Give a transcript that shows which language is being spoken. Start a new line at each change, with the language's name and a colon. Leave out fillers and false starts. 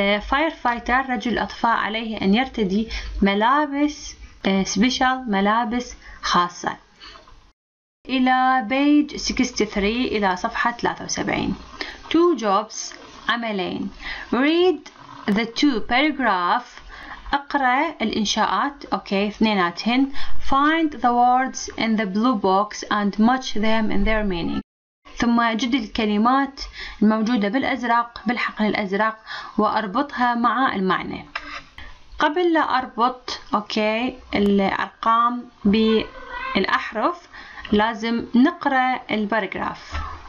English: Firefighter
Arabic: رجل الإطفاء عليه أن يرتدي ملابس
English: special
Arabic: ملابس خاصة. إلى page 63 إلى صفحة 73.
English: Two jobs
Arabic: عملين.
English: Read the two paragraphs.
Arabic: اقرأ الإنشاءات أوكي اثنيناتهن.
English: Find the words in the blue box and match them in their meaning.
Arabic: ثم جد الكلمات الموجودة بالأزرق بالحقل الأزرق وأربطها مع المعنى. قبل لا أربط أوكي الأرقام بالأحرف لازم نقرأ البارغراف.